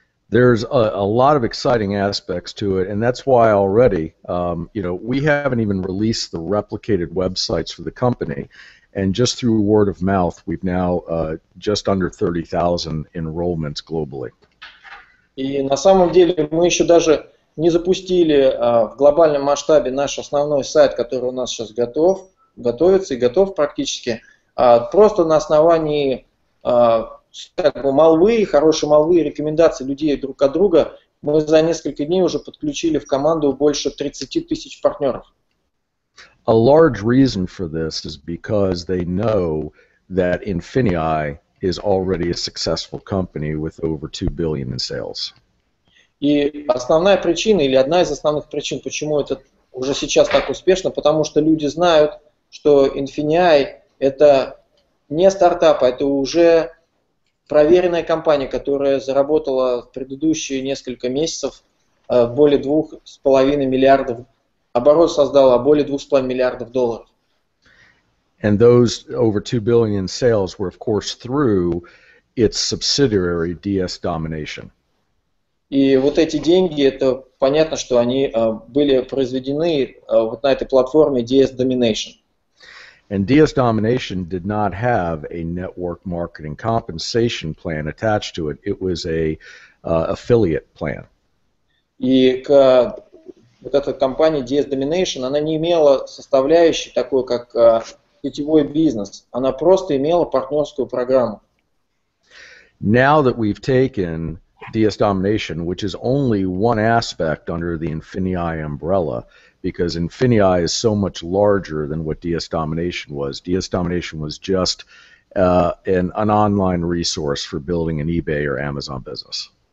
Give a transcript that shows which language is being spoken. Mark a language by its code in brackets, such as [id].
[en] There's a lot of exciting aspects to it, and that's why already, we haven't even released the replicated websites for the company, and just through word of mouth, we've now just under 30,000 enrollments globally. [ru] И на самом деле мы еще даже не запустили в глобальном масштабе наш основной сайт, который у нас сейчас готов практически, просто на основании молвы, хорошие молвы и рекомендации людей друг от друга, Мы за несколько дней уже подключили в команду больше 30 тысяч партнеров. [en] A large reason for this is because they know that Infinii is already a successful company with over 2 billion in sales. [ru] И основная причина, или одна из основных причин, почему это уже сейчас так успешно, потому что люди знают, что Infinii это не стартап, а это уже проверенная компания, которая заработала в предыдущие несколько месяцев более 2,5 миллиардов, оборот создала более 2,5 миллиардов долларов. [en] And those over 2 billion in sales were, of course, through its subsidiary DS Domination. [ru] И вот эти деньги, это понятно, что они были произведены вот на этой платформе DS Domination. [en] And DS Domination did not have a network marketing compensation plan attached to it. It was an affiliate plan. [ru] И вот эта компания DS Domination, она не имела составляющей такой, как сетевой бизнес. Она просто имела партнерскую программу. [en] Now that we've taken DS Domination, which is only one aspect under the Infinii umbrella, because Infinii is so much larger than what DS Domination was. DS Domination was just an online resource for building an eBay or Amazon business.